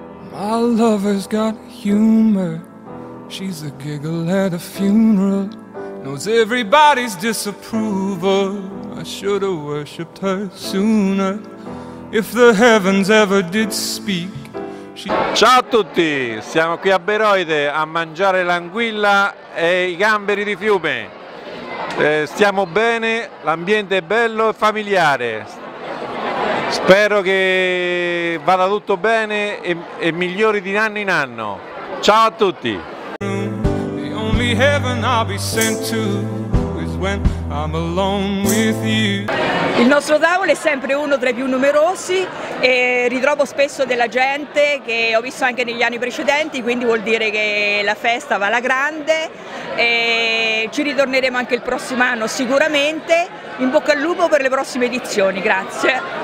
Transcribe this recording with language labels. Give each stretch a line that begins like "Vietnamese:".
English: My lover's got humor, she's a giggle at a funeral, knows everybody's disapproval. I should have worshipped her sooner, if the heavens ever did speak.
Italian: Ciao a tutti, siamo qui a Beroide a mangiare l'anguilla e i gamberi di fiume. Stiamo bene, l'ambiente è bello e familiare. Spero che vada tutto bene e migliori di anno in anno. Ciao a tutti!
English: The only heaven I'll be sent to is when I'm alone with you.
Italian: Il nostro tavolo è sempre uno tra i più numerosi e ritrovo spesso della gente che ho visto anche negli anni precedenti, quindi vuol dire che la festa va alla grande e ci ritorneremo anche il prossimo anno sicuramente. In bocca al lupo per le prossime edizioni, grazie!